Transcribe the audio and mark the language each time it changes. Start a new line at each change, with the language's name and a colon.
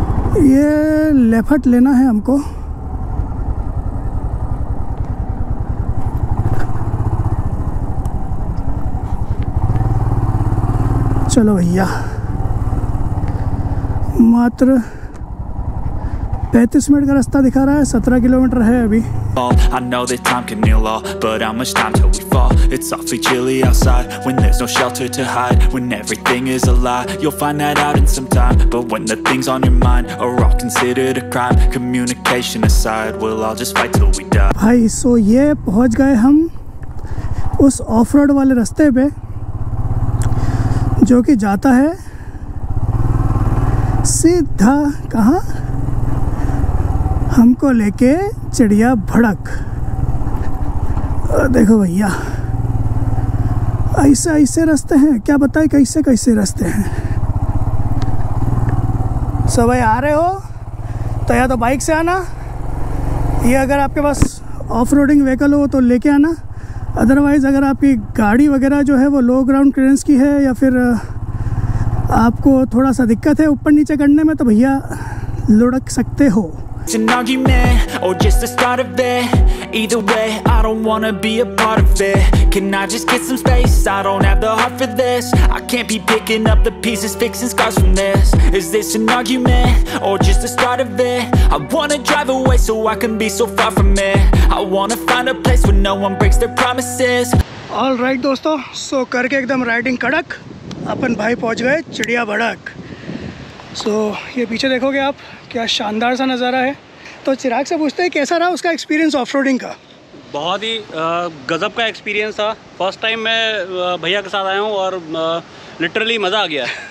Hindi: ये लेफ्ट लेना है हमको, चलो भैया मात्र 35 मिनट का रास्ता दिखा रहा है, 17 किलोमीटर है अभी।
English: I know that time can heal all, but how much time till we fall? It's awfully chilly outside, when there's no shelter to hide. When everything is a lie, you'll find that out in some time. But when the things on your mind are all considered a crime, communication aside, we'll all just fight till we die.
Hindi: भाई, so ये पहुंच गए हम उस off-road वाले रास्ते पे, जो कि जाता है सीधा कहाँ, हमको लेके चिड़िया भड़क। देखो भैया ऐसे ऐसे रास्ते हैं, क्या बताए कैसे कैसे रास्ते हैं। सो भाई आ रहे हो तो या तो बाइक से आना, ये अगर आपके पास ऑफ रोडिंग व्हीकल हो तो लेके आना, अदरवाइज़ अगर आपकी गाड़ी वगैरह जो है वो लो ग्राउंड क्लियरेंस की है या फिर आपको थोड़ा सा दिक्कत है ऊपर नीचे करने में, तो भैया लुढ़क सकते हो।
English: It's an argument or just the start of it. Either way, I don't wanna be a part of it. Can I just get some space? I don't have the heart for this. I can't be picking up the pieces, fixing scars from this. Is this an argument or just the start of it? I wanna drive away so I can be so far from it. I wanna find a place where no one breaks their promises.
Hindi: All right, दोस्तों, so करके एकदम riding कड़क, अपन भाई पहुंच गए चिड़िया भड़क। So ये पीछे देखोगे आप, क्या शानदार सा नज़ारा है। तो चिराग से पूछते हैं कैसा रहा उसका एक्सपीरियंस ऑफ रोडिंग का। बहुत ही गजब का एक्सपीरियंस था, फर्स्ट टाइम मैं भैया के साथ आया हूँ और लिटरली मज़ा आ गया।